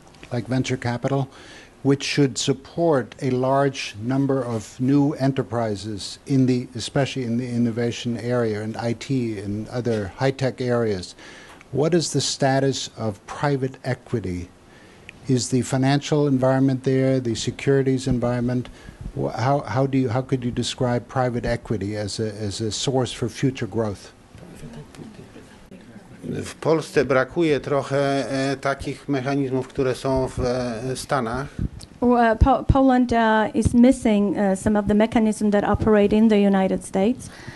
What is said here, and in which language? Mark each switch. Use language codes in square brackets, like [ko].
[en] like venture capital, which should support a large number of new enterprises, especially in the innovation area and IT and other high-tech areas. What is the status of private equity Is the financial environment there, the securities environment? How could you describe private equity as a source for future growth? [pl] W Polsce brakuje trochę takich mechanizmów, które są w Stanach. [en] Poland is missing some of the mechanisms that operate in the United States.